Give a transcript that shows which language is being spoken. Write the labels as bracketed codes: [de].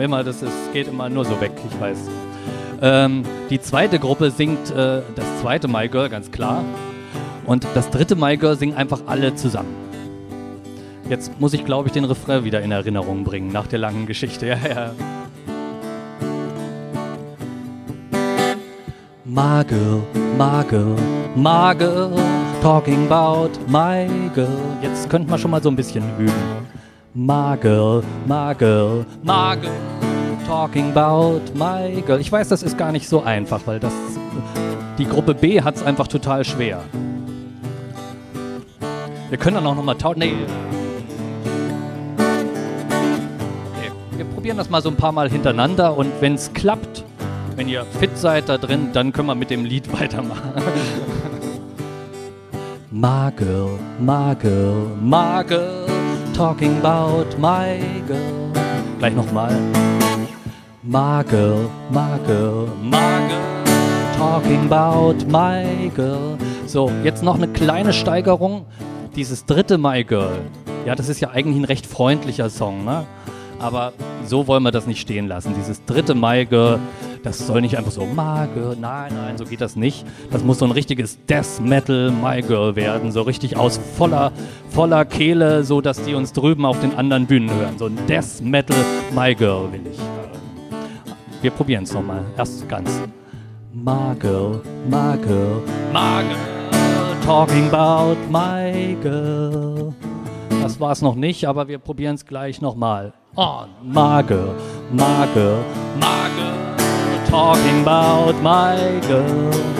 [de] Immer, geht immer nur so weg, ich weiß. Die zweite Gruppe singt das zweite My Girl, ganz klar. Und das dritte My Girl singen einfach alle zusammen. Jetzt muss ich, glaube ich, den Refrain wieder in Erinnerung bringen, nach der langen Geschichte. Ja, ja. [en] My girl, my girl, my girl, talking about my girl. [de] Jetzt könnten wir schon mal so ein bisschen üben. [en] My girl, my girl, my girl, talking about my girl. [de] Ich weiß, das ist gar nicht so einfach, weil das die Gruppe B hat es einfach total schwer. Wir können dann auch nochmal tauschen. Nee. Wir probieren das mal so ein paar Mal hintereinander und wenn es klappt, wenn ihr fit seid da drin, dann können wir mit dem Lied weitermachen. [en] My girl, my girl, my girl, talking about my girl. [de] Gleich nochmal. [en] My girl, my girl, my girl, talking about my girl. [de] So, jetzt noch eine kleine Steigerung. Dieses dritte My Girl. Ja, das ist ja eigentlich ein recht freundlicher Song, ne? Aber so wollen wir das nicht stehen lassen. Dieses dritte My Girl, das soll nicht einfach so My Girl, nein, nein, so geht das nicht. Das muss so ein richtiges Death Metal My Girl werden. So richtig aus voller Kehle, so dass die uns drüben auf den anderen Bühnen hören. So ein Death Metal My Girl will ich. Wir probieren es nochmal. Erst ganz. [en] My girl, my girl, my girl, talking about my girl. [de] Das war's noch nicht, aber wir probieren es gleich nochmal. On. [en] My girl, my girl, my girl, talking about my girl.